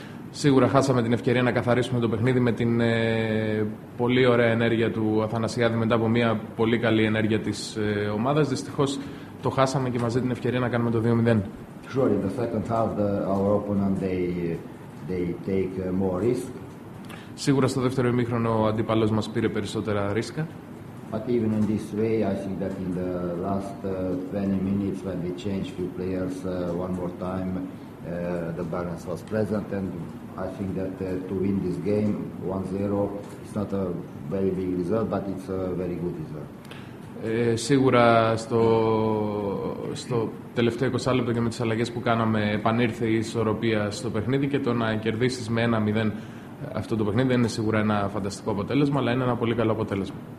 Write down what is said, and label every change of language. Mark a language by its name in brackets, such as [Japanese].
[Greek] Σίγουρα χάσαμε την ευκαιρία να καθαρίσουμε το παιχνίδι με την πολύ ωραία ενέργεια του Αθανασιάδη μετά από μια πολύ καλή ενέργεια της ομάδας. Δυστυχώς το χάσαμε και μαζί την ευκαιρία να κάνουμε το 2-0. [English] Sure, in the second half our opponent they take more risk. [Greek] Σίγουρα στο δεύτερο ημίχρονο ο αντίπαλος μας πήρε περισσότερα ρίσκα. [English] But even in this way I think that in the last 20 minutes when we changed few players one more time the balance was present and I think that to win this game 1-0 is not a very big result but it's a very good result. [Greek] Σίγουρα στο τελευταίο 20 λεπτό και με τις αλλαγές που κάναμε επανήρθε η ισορροπία στο παιχνίδι και το να κερδίσεις με 1-0 αυτό το παιχνίδι δεν είναι σίγουρα ένα φανταστικό αποτέλεσμα αλλά είναι ένα πολύ καλό αποτέλεσμα.